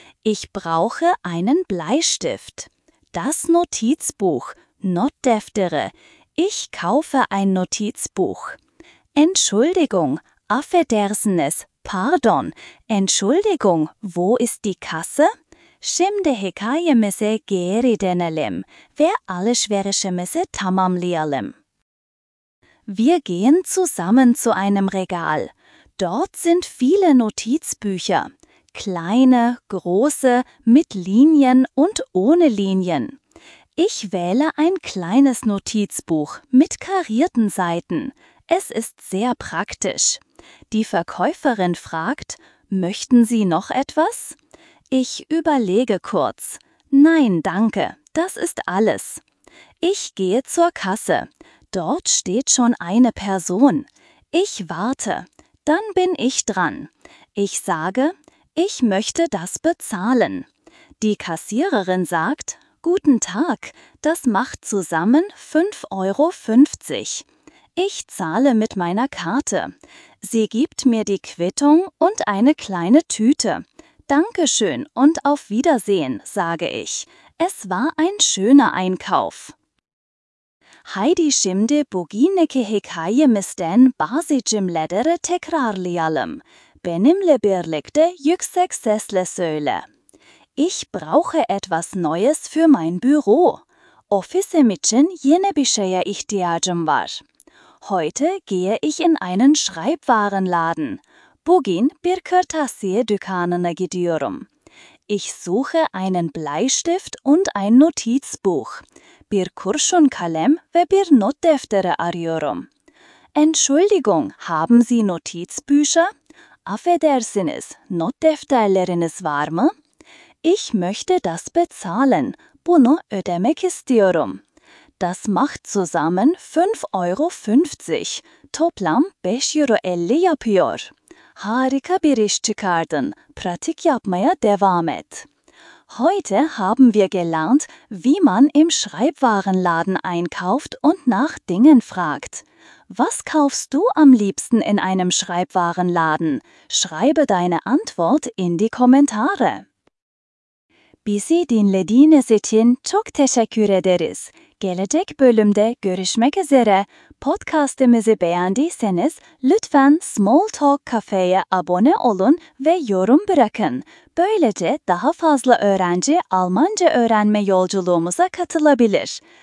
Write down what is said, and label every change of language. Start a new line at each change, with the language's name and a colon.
German: Ich brauche einen Bleistift. Das Notizbuch,
Turkish: Notdeftere.
German: Ich kaufe ein Notizbuch. Entschuldigung,
Turkish: affedersenes,
German: pardon. Entschuldigung, wo ist die Kasse?
Turkish: Şimdi hikayemize geri dönelim ve alışverişimizi tamamlayalım.
German: Wir gehen zusammen zu einem Regal. Dort sind viele Notizbücher. Kleine, große, mit Linien und ohne Linien. Ich wähle ein kleines Notizbuch mit karierten Seiten. Es ist sehr praktisch. Die Verkäuferin fragt, möchten Sie noch etwas? Ich überlege kurz. Nein, danke, das ist alles. Ich gehe zur Kasse. Dort steht schon eine Person. Ich warte. Dann bin ich dran. Ich sage, ich möchte das bezahlen. Die Kassiererin sagt, guten Tag, das macht zusammen 5,50 Euro. Ich zahle mit meiner Karte. Sie gibt mir die Quittung und eine kleine Tüte. Dankeschön und auf Wiedersehen, sage ich. Es war ein schöner Einkauf.
Turkish: Heidi Şimdi bugünkü hikayemizden bazı cümleleri tekrarlayalım. Benimle birlikte yüksek sesle söyle.
German: Ich brauche etwas Neues für mein Büro.
Turkish: Ofisim için yeni bir şeye ihtiyacım var.
German: Heute gehe ich in einen Schreibwarenladen.
Turkish: Bugün bir kırtasiye dükkanına gidiyorum.
German: Ich suche einen Bleistift und ein Notizbuch.
Turkish: Bir kurşunkalem ve bir notdeftere arıyorum.
German: Entschuldigung, haben Sie Notizbücher?
Turkish: Affedersiniz, notdefterleriniz var mı?
German: Ich möchte das bezahlen.
Turkish: Bunu ödemek istiyorum.
German: Das macht zusammen 5,50 Euro.
Turkish: Toplam 5 Euro 50 yapıyor. Harika bir iş çıkardın. Pratik yapmaya devam et.
German: Heute haben wir gelernt, wie man im Schreibwarenladen einkauft und nach Dingen fragt. Was kaufst du am liebsten in einem Schreibwarenladen? Schreibe deine Antwort in die Kommentare.
Turkish: Bizi dinlediğiniz için çok teşekkür ederiz. Gelecek bölümde görüşmek üzere. Podcast'imizi beğendiyseniz lütfen Small Talk Cafe'ye abone olun ve yorum bırakın. Böylece daha fazla öğrenci Almanca öğrenme yolculuğumuza katılabilir.